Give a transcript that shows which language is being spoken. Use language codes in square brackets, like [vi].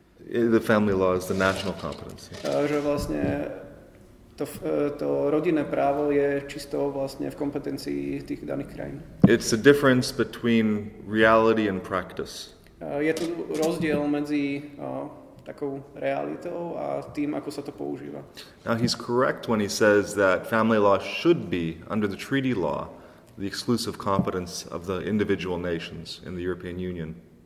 [en] the family law is the national competency. [sk] Že vlastne to rodinné právo je čisto vlastne v kompetencii tých daných krajín. [en] It's a difference between reality and practice. [sk] Je tu rozdiel medzi takou realitou a tým, ako sa to používa. [en] Now he's correct when he says that family law should be, under the treaty law, the exclusive competence of the individual nations in the European Union.